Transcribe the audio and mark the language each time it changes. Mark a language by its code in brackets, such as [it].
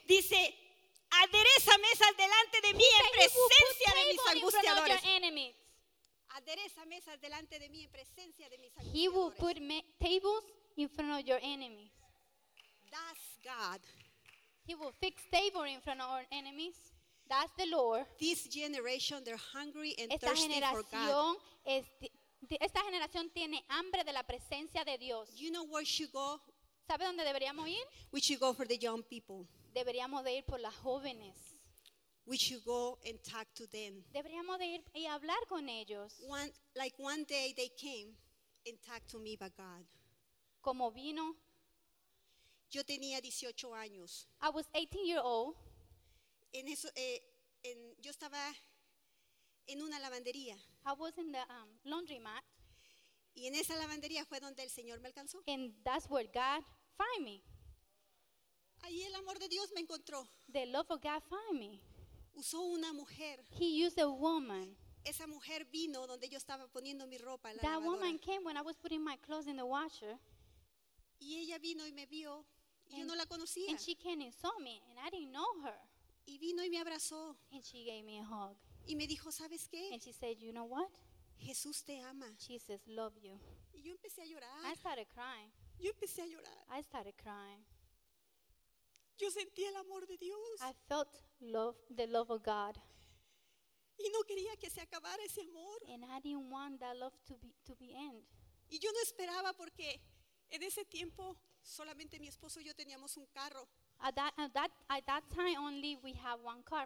[es] Dice, adereza mesas delante de mí en presencia de mis angustiadores. Adereza mesas delante de mí en presencia de mis angustiadores. [en] He will put tables in front of your enemies. That's God. He will fix tables in front of our enemies. That's the Lord. This generation, they're hungry and [es] esta [en] thirsty for God. [es] Esta generación tiene hambre de la presencia de Dios. [en] You know where should go? [es] ¿Sabe dónde deberíamos ir? [en] We should go for the young people. [es] Deberíamos de ir por las jóvenes. [en] We should go and talk to them. [es] Deberíamos de ir y hablar con ellos. [en] One day they came and talked to me about God. [es] Como vino. Yo tenía 18 años. [en] I was 18 years old. [es] En eso, yo estaba en una lavandería. [en] I was in the laundromat. [es] Y en esa lavandería fue donde el Señor me alcanzó. [en] And that's where God found me. [es] Ahí el amor de Dios me encontró. [en] The love of God found me. [es] Usó una mujer. [en] He used a woman. [es] Esa mujer vino donde yo estaba poniendo mi ropa en la [en] that [es] lavadora. [en] That woman came when I was putting my clothes in the washer. [es] Y ella vino y me vio. Y yo no la conocía. [en] And she came and saw me, and I didn't know her. [es] Y vino y me abrazó. [en] And she gave me a hug. [es] Y me dijo, ¿sabes qué? [en] And she said, you know what? [es] Jesús te ama. [en] Jesus loves you. [es] Y yo empecé a llorar. [en] I started crying. [es] Yo empecé a llorar. [en] I started crying. [es] Yo sentí el amor de Dios. [en] I felt love, the love of God. [es] Y no quería que se acabara ese amor. [en] And I didn't want that love to be end. [es] Y yo no esperaba porque en ese tiempo solamente mi esposo y yo teníamos un carro. [en] At that time only we had one car.